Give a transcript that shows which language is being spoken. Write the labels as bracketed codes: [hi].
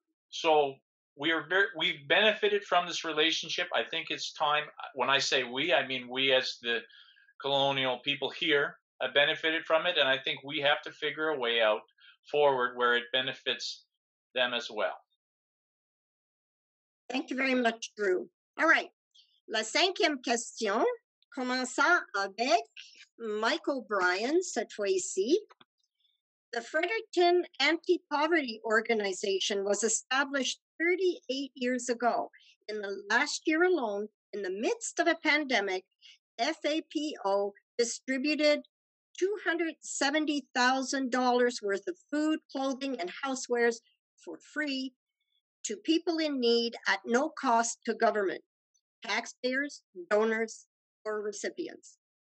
[en] So we've benefited from this relationship. I think it's time. When I say we, I mean we as the colonial people here have benefited from it. And I think we have to figure a way out forward where it benefits them as well. Thank you very much, Drew. All right. [fr] La cinquième question, commençant avec Michael Bryan, cette fois-ci. [en] The Fredericton Anti-Poverty Organization was established 38 years ago. In the last year alone, in the midst of a pandemic, FAPO distributed $270,000 worth of food, clothing, and housewares for free to people in need at no cost to government, taxpayers, donors, or recipients.